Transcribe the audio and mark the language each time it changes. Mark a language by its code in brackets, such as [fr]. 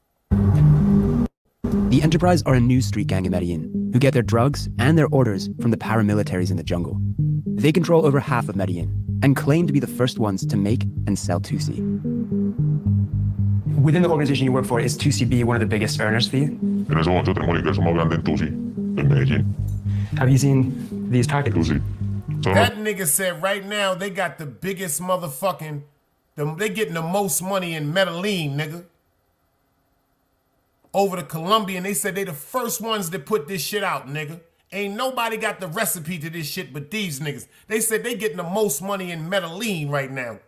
[en] The Enterprise are a new street gang in Medellin who get their drugs and their orders from the paramilitaries in the jungle. They control over half of Medellin and claim to be the first ones to make and sell 2C. Within the organization you work for, is 2CB one of the biggest earners for you? [es] En ese momento tengo el ingreso más grande en 2C, en Medellín. [en] Have you seen these packages? That nigga said right now they got the biggest motherfucking... they getting the most money in Medellín, nigga. Over to Colombia, and they said they the first ones to put this shit out, nigga. Ain't nobody got the recipe to this shit but these niggas. They said they getting the most money in Medellín right now.